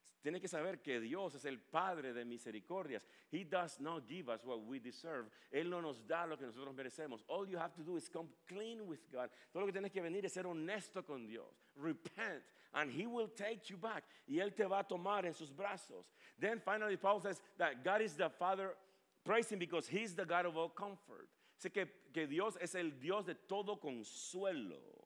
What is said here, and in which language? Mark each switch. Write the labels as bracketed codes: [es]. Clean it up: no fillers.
[es] Tiene que saber que Dios es el padre de misericordias. [en] He does not give us what we deserve. [es] Él no nos da lo que nosotros merecemos. [en] All you have to do is come clean with God. [es] Todo lo que tienes que venir es ser honesto con Dios. [en] Repent, and he will take you back. [es] Y él te va a tomar en sus brazos. [en] Then finally, Paul says that God is the father, praise him because he's the God of all comfort. [es] Sé que Dios es el Dios de todo consuelo.